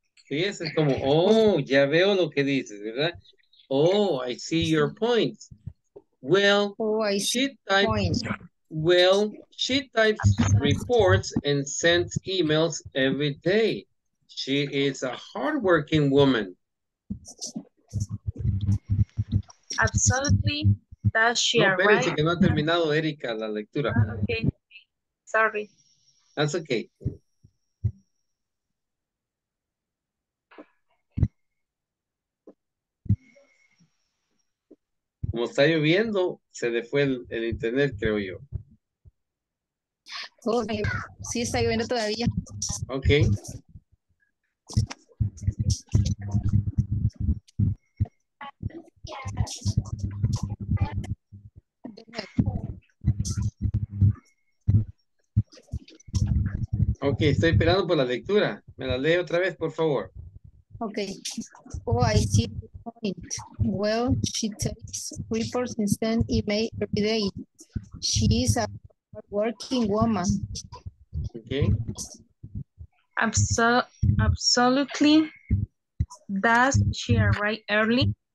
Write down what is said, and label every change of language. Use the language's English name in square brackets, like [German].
[Spanish] Sí, es como, oh, ya veo lo que dices, ¿verdad? [English] Oh, I see your point. Well, she types reports and sends emails every day. She is a hardworking woman. Absolutely. Does she arrive? [Spanish] No, que no ha terminado, Erika, la lectura. [English] Okay, sorry. That's okay. [Spanish] Como está lloviendo, se le fue el internet, creo yo. Okay. Sí, está lloviendo todavía. [English] Okay. [Spanish] Ok, estoy esperando por la lectura. ¿Me la lee otra vez, por favor? [English] Okay. Oh, I see the point. Well, she takes reports and sends email every day. She is a working woman. Okay. Absolutely. Does she arrive early?